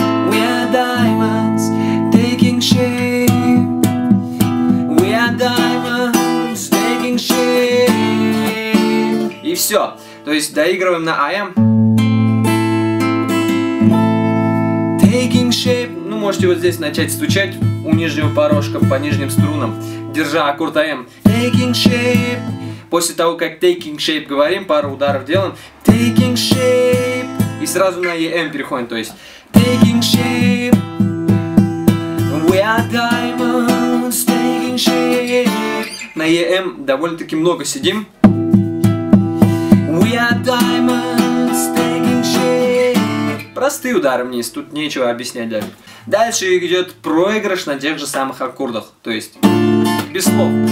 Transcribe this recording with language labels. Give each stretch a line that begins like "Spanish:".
English: We are diamonds taking shape. We are diamonds taking shape.
Russian: И все. То есть доигрываем на АМ.
English: Taking shape.
Russian: Ну, можете вот здесь начать стучать у нижнего порожка по нижним струнам, держа аккорд АМ.
English: Taking shape.
Russian: После того, как
English: taking shape
Russian: говорим, пару ударов делаем.
English: Taking shape.
Russian: И сразу на ЕМ переходим, то есть
English: taking shape, we are diamonds, taking shape.
Russian: На ЕМ довольно-таки много сидим.
English: We are diamonds, taking shape.
Russian: Простые удары вниз, тут нечего объяснять даже. Дальше идет проигрыш на тех же самых аккордах, то есть без слов.